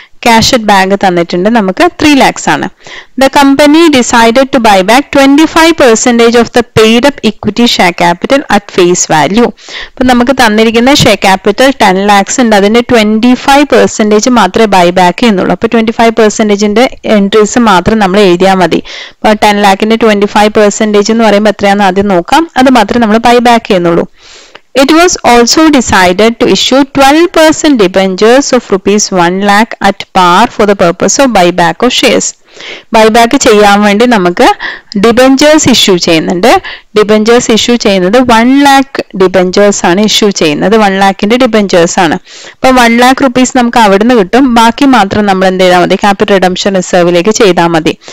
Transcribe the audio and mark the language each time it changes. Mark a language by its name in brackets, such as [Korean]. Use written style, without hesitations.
[Malayalam] Cash at bank തന്നിട്ടുണ്ട്, നമുക്ക് 3 lakhs ആണ്. [English] The company decided to buy back 25% of the paid up equity share capital at face value. [Malayalam] അപ്പൊ നമുക്ക് തന്നിരിക്കുന്ന share capital 10 lakhs ഉണ്ട്, അതിന്റെ 25% മാത്രമേ ബൈ ബാക്ക് ചെയ്യുന്നുള്ളൂ. അപ്പൊ 25%ന്റെ എൻട്രീസ് മാത്രം നമ്മൾ എഴുതിയാൽ മതി. അപ്പൊ 10 lakhന്റെ 25% എന്ന് പറയുമ്പോൾ എത്രയാന്ന് ആദ്യം നോക്കാം, അത് മാത്രമേ നമ്മൾ ബൈ ബാക്ക് ചെയ്യുന്നുള്ളൂ. [English] It was also decided to issue 12% debentures of ₹1 lakh at par for the purpose of buyback of shares. [Malayalam] Buyback ചെയ്യാൻ വേണ്ടി നമുക്ക് ഡിബഞ്ചേഴ്സ് ഇഷ്യൂ ചെയ്യുന്നുണ്ട്. ഡിബഞ്ചേഴ്സ് ഇഷ്യൂ ചെയ്യുന്നത് 1 lakh ഡിബഞ്ചേഴ്സ് ആണ് ഇഷ്യൂ ചെയ്യുന്നത്. 1 lakhന്റെ ഡിബഞ്ചേഴ്സ് ആണ്. അപ്പൊ 1 lakh റുപ്പീസ് നമുക്ക് അവിടുന്ന് കിട്ടും, ബാക്കി മാത്രം നമ്മൾ എന്ത് ചെയ്താൽ മതി, ക്യാപിറ്റൽ റിഡംപ്ഷൻ റിസർവിലേക്ക് ചെയ്താൽ മതി.